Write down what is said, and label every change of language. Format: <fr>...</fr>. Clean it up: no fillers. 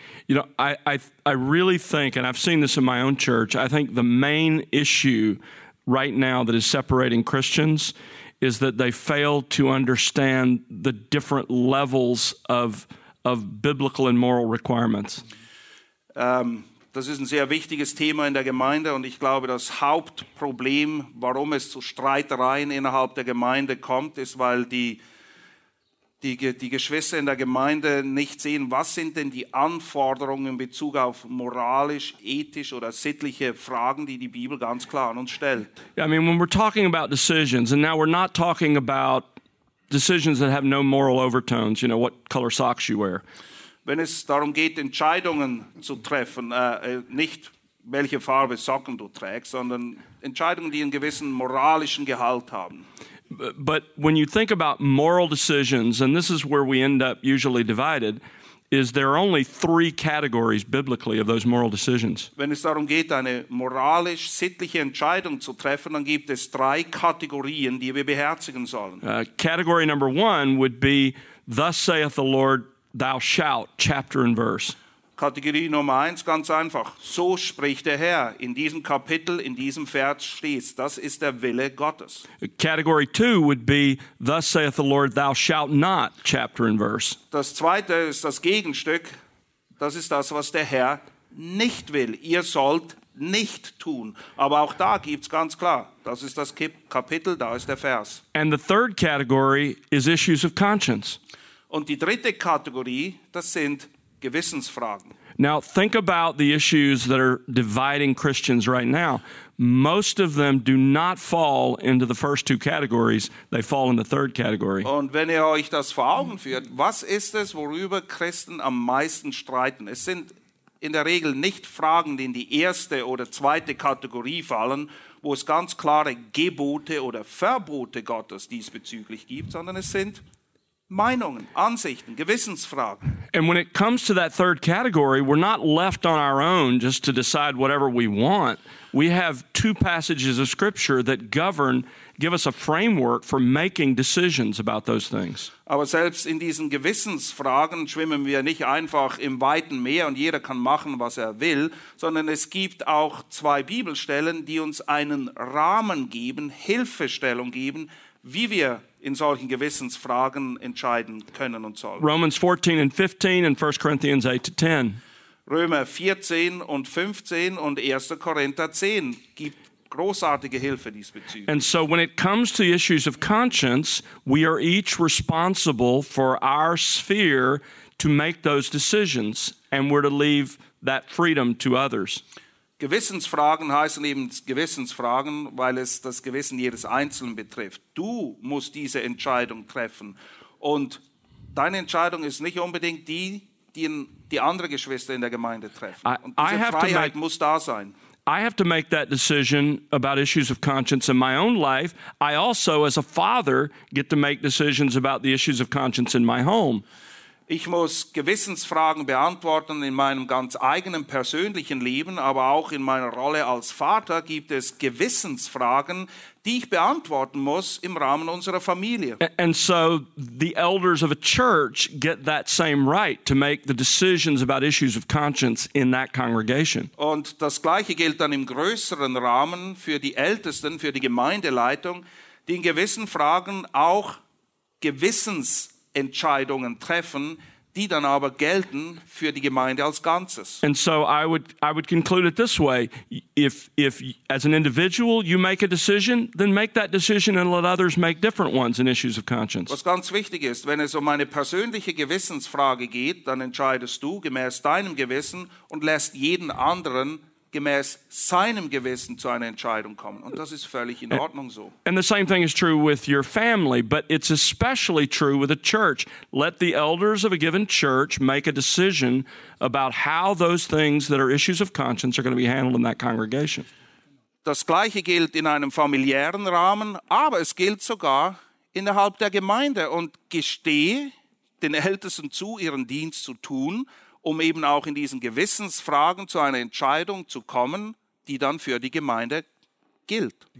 <en>You know, I really think, and I've seen this in my own church, I think the main issue right now that is separating Christians is that they fail to understand the different levels of biblical and moral requirements.</en> <de>Das ist ein sehr wichtiges Thema in der Gemeinde, und ich glaube, das Hauptproblem, warum es zu Streitereien innerhalb der Gemeinde kommt, ist, weil die Geschwister in der Gemeinde nicht sehen, was sind denn die Anforderungen in Bezug auf moralisch, ethisch oder sittliche Fragen, die die Bibel ganz klar an uns stellt.</de> <en>Yeah, I mean, when we're talking about decisions, and now we're not talking about decisions that have no moral overtones, you know, what color socks you wear.</en> <de>Wenn es darum geht, Entscheidungen zu treffen, nicht welche Farbe Socken du trägst, sondern Entscheidungen, die einen gewissen moralischen Gehalt haben.</de> <en>But when you think about moral decisions, and this is where we end up usually divided, is there are only three categories biblically of those moral decisions.</en> <de>Wenn es darum geht, eine moralisch sittliche Entscheidung zu treffen, dann gibt es drei Kategorien, die wir beherzigen sollen.</de> <en>Category number one would be, thus saith the Lord, thou shalt, chapter and verse.</en> <de>Kategorie Nummer 1, ganz einfach. So spricht der Herr, in diesem Kapitel, in diesem Vers stehst. Das ist der Wille Gottes.</de> <en>Category 2 would be, thus saith the Lord, thou shalt not, chapter and verse.</en> <de>Das zweite ist das Gegenstück. Das ist das, was der Herr nicht will. Ihr sollt nicht tun. Aber auch da gibt's ganz klar. Das ist das Kapitel, da ist der Vers.</de> <en>And the third category is issues of conscience.</en> <de>Und die dritte Kategorie, das sind Gewissensfragen.</de> <en>Now think about the issues that are dividing Christians right now. Most of them do not fall into the first two categories. They fall in the third category.</en> <de>Und wenn ihr euch das vor Augen führt, was ist es, worüber Christen am meisten streiten? Es sind in der Regel nicht Fragen, die in die erste oder zweite Kategorie fallen, wo es ganz klare Gebote oder Verbote Gottes diesbezüglich gibt, sondern es sind Meinungen, Ansichten, Gewissensfragen.</de> <en>And when it comes to that third category, we're not left on our own just to decide whatever we want. We have two passages of Scripture that govern, give us a framework for making decisions about those things.</en> <de>Aber selbst in diesen Gewissensfragen schwimmen wir nicht einfach im weiten Meer und jeder kann machen, was er will, sondern es gibt auch zwei Bibelstellen, die uns einen Rahmen geben, Hilfestellung geben, wie wir in solchen Gewissensfragen entscheiden können und sollen.</de> <en>Romans 14 and 15 and 1 Corinthians 8 to 10.</en> <de>Römer 14 und 15 und 1. Korinther 10 gibt großartige Hilfe diesbezüglich.</de> <en>And so when it comes to issues of conscience, we are each responsible for our sphere to make those decisions, and we're to leave that freedom to others.</en> <de>Gewissensfragen heißen eben Gewissensfragen, weil es das Gewissen jedes Einzelnen betrifft. Du musst diese Entscheidung treffen. Und deine Entscheidung ist nicht unbedingt die, die andere Geschwister in der Gemeinde treffen. Und diese Freiheit muss da sein.</de> <en>I have to make that decision about issues of conscience in my own life. I also, as a father, get to make decisions about the issues of conscience in my home.</en> <de>Ich muss Gewissensfragen beantworten in meinem ganz eigenen persönlichen Leben, aber auch in meiner Rolle als Vater gibt es Gewissensfragen, die ich beantworten muss im Rahmen unserer Familie.</de> <en>And so the elders of a church get that same right to make the decisions about issues of conscience in that congregation.</en> <de>Und das Gleiche gilt dann im größeren Rahmen für die Ältesten, für die Gemeindeleitung, die in gewissen Fragen auch Gewissensentscheidungen treffen, die dann aber gelten für die Gemeinde als Ganzes.</de> <en>And so I would conclude it this way. If as an individual you make a decision, then make that decision and let others make different ones in issues of conscience.</en> <de>Was ganz wichtig ist, wenn es um eine persönliche Gewissensfrage geht, dann entscheidest du gemäß deinem Gewissen und lässt jeden anderen gemäß seinem Gewissen zu einer Entscheidung kommen. Und das ist völlig in Ordnung so.</de> <en>And the same thing is true with your family, but it's especially true with a church. Let the elders of a given church make a decision about how those things that are issues of conscience are going to be handled in that congregation.</en> <de>Das Gleiche gilt in einem familiären Rahmen, aber es gilt sogar innerhalb der Gemeinde. Und gestehe den Ältesten zu, ihren Dienst zu tun, um eben auch in diesen Gewissensfragen zu einer Entscheidung zu kommen, die dann für die Gemeinde gilt.</de>